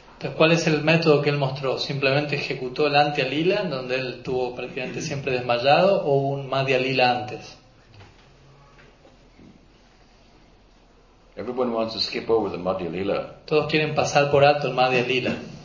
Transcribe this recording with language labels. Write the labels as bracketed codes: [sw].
[es] Entonces, ¿cuál es el método que él mostró? ¿Simplemente ejecutó el Antilila, donde él estuvo prácticamente siempre desmayado, o un Madhyalila antes? [en] Everyone wants to skip over the Madhya Lila. [es] Todos quieren pasar por alto el Madhya Lila.